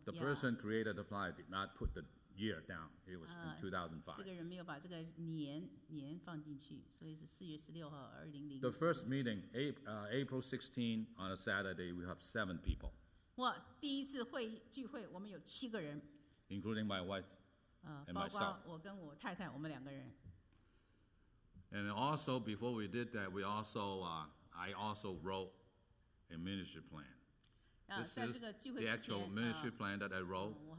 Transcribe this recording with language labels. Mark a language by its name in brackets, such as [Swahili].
[English] The person created the flyer did not put the year down. It was in 2005. [Chinese] 这个人没有把这个年放进去，所以是四月十六号，二零零。 [English] The first meeting, April 16, on a Saturday, we have 7 people. [Chinese] 哇，第一次会聚会，我们有七个人。 [English] Including my wife and myself. [Chinese] 包括我跟我太太，我们两个人。 [English] And also, before we did that, we also, I also wrote a ministry plan. This is the actual ministry plan that I wrote.